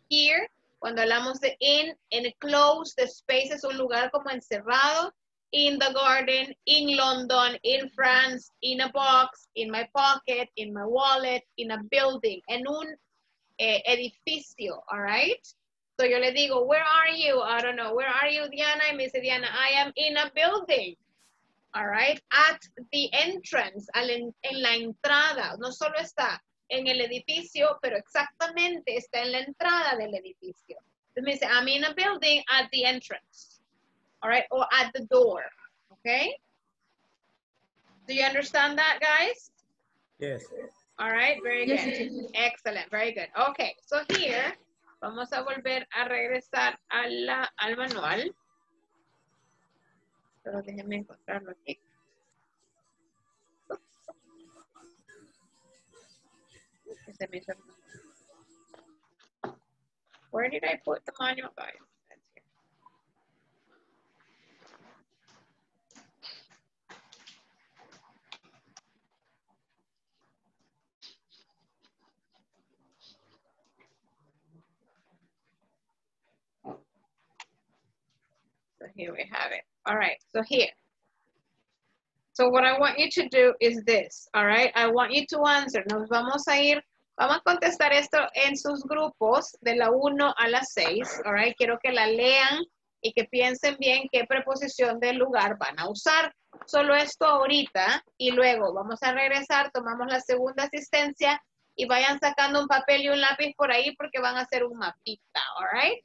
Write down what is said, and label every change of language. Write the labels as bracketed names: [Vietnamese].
[English] Here, [Spanish] cuando hablamos de [English] in, enclosed, the space [Spanish] es un lugar como encerrado, [English] in the garden, in London, in France, in a box, in my pocket, in my wallet, in a building, [Spanish] en un edificio, [English] all right? So [Spanish] yo le digo, [English] where are you? I don't know, where are you, Diana? [Spanish] Y me dice, [English] Diana, I am in a building. All right. At the entrance, [Spanish] en la entrada. No solo está en el edificio, pero exactamente está en la entrada del edificio. Entonces me dice, [English] I'm in a building at the entrance. All right. Or at the door. Okay. Do you understand that, guys? Yes. All right. Very good. Yes. Excellent. Very good. Okay. So here, [Spanish] vamos a volver a regresar a la, al manual. Pero déjenme encontrarlo aquí. [English] Where did I put the manual, guys? Here we have it. All right, so here. So what I want you to do is this, all right? I want you to answer. [Spanish] Nos vamos a ir, vamos a contestar esto en sus grupos de la 1 a la 6, [English] all right? [Spanish] Quiero que la lean y que piensen bien qué preposición del lugar van a usar. Solo esto ahorita y luego vamos a regresar, tomamos la segunda asistencia y vayan sacando un papel y un lápiz por ahí porque van a hacer un mapita, [English] all right?